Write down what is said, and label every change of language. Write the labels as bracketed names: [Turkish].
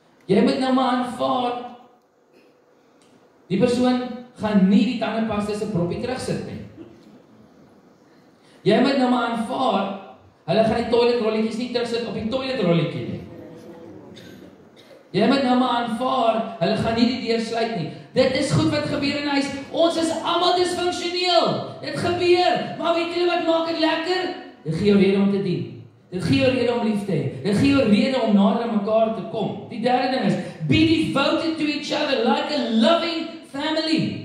[Afrikaans] Jy moet nou maar aanvaar. Die persoon gaan nie die tandepasta se proppie terugsit nie. Jy moet nou maar aanvaar. Hulle gaan die toiletrolletjies nie terugsit op die toiletrolletjie nie. Jy moet nou maar aanvaar, hulle gaan nie die deur sluit nie. Dit is goed wat gebeur in huis. Ons is almal disfunksioneel. Dit gebeur. Maar weet julle wat maak dit lekker? Dit gee jou rede om te dien. Dit gee jou rede om lief te hê. Dit gee jou rede om nader aan mekaar te kom. [English] Die derde ding is, be devoted to each other like a loving family.